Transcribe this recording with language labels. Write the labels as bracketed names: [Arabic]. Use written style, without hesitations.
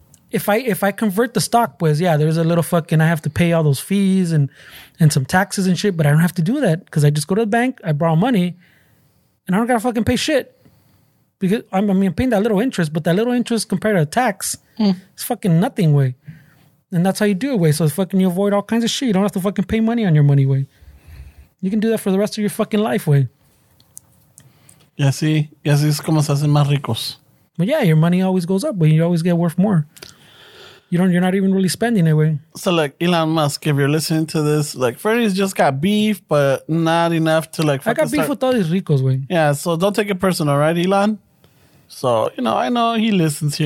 [English] If I convert the stock, [Spanish] pues, [English] yeah, there's a little fucking, I have to pay all those fees and some taxes and shit, but I don't have to do that because I just go to the bank, I borrow money, and I don't got to fucking pay shit. Because I'm paying that little interest, but that little interest compared to a tax, it's fucking nothing, way. And that's how you do it, way. So fucking you avoid all kinds of shit. You don't have to fucking pay money on your money, way. You can do that for the rest of your fucking life, way. [Spanish] Y así es como se hacen más ricos. [English] But yeah, your money always goes up, but you always get worth more. You're not even really spending it, way. So like Elon Musk, if you're listening to this, like Freddy's just got beef, but not enough to like. I got beef with all these ricos, way. Yeah, so don't take it personal, right, Elon? So, you know, I know he listens here,